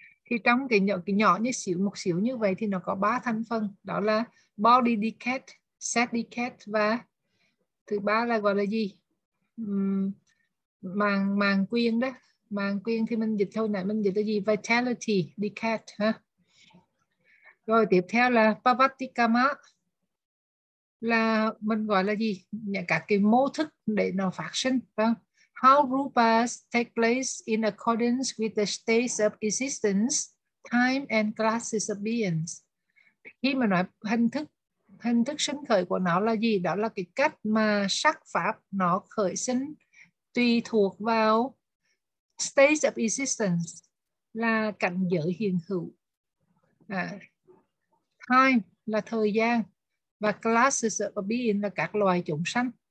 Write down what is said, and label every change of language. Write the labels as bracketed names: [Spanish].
[Vietnamese] Thì trong cái nhỏ như xíu một xíu như vậy thì nó có ba thành phần, đó là body decay, set decay và thứ ba là gọi là gì, màng quyên đó. Màng quyên thì mình dịch thôi nãy mình dịch là gì, vitality decay ha. Rồi tiếp theo là pavatikama, là mình gọi là gì, những các cái mô thức để nó phát sinh, phải không? [English] How rupas take place in accordance with the states of existence, time and classes of beings. [Vietnamese] Khi mà nói hình thức sinh khởi của nó là gì, đó là cái cách mà sắc pháp nó khởi sinh tùy thuộc vào states of existence, là cảnh giới hiện hữu, time là thời gian, và classes of being là các loài chúng sanh.